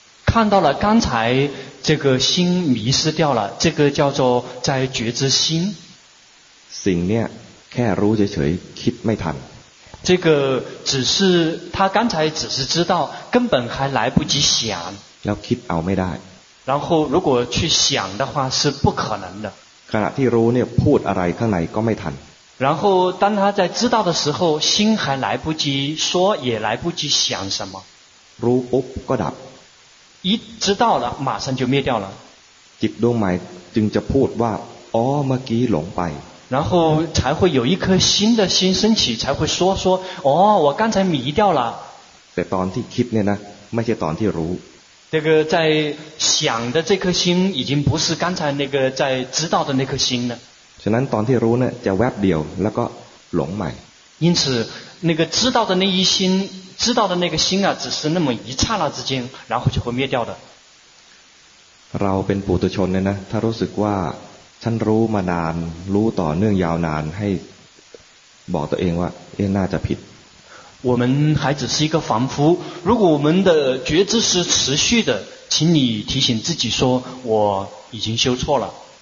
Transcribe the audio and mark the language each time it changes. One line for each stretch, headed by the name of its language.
Chinese: 看到了刚才这个心迷失掉了这个叫做在觉知心
Thai: สิ่งเนี้ยแค่รู้เฉยๆคิดไม่ทัน
Chinese: 这个只是他刚才只是知道根本还来不及想
Thai: 要คิดเอาไม่ได้
Chinese: 然后如果去想的话是不可能的
Thai: ขณะที่รู้เนี่ยพูดอะไรข้างในก็ไม่ทัน
Chinese: 然后当他在知道的时候心还来不及说也来不及想什么
Thai: รู้ปุ๊บก็ดับ
Chinese: 一知道了马上就灭掉了
Thai: จิตดวงใหม่จึงจะพูดว่าอ๋อเมื่อกี้หลงไป
Chinese: 然后才会有一颗新的心升起才会说哦我刚才迷掉了
Thai: แต่ตอนที่คิดเนี่ยนะไม่ใช่ตอนที่รู้
Chinese: 这个在想的这颗心已经不是刚才那个在知道的那颗心了
Thai: ฉะนั้นตอนที่รู้เนี่ยจะแวบเดียวแล้วก็หลงใหม่
Chinese: 因此那个知道的那一心知道的那个心啊只是那么一刹那之间然后就会灭掉的
Thai: เราเป็นปุถุชนเนี่ยนะถ้ารู้สึกว่าฉันรู้มานานรู้ต่อเนื่องยาวนานให้บอกตัวเองว่าเอ๊ะน่าจะผิด
Chinese: 我们还只是一个凡夫如果我们的觉知是持续的请你提醒自己说我已经修错了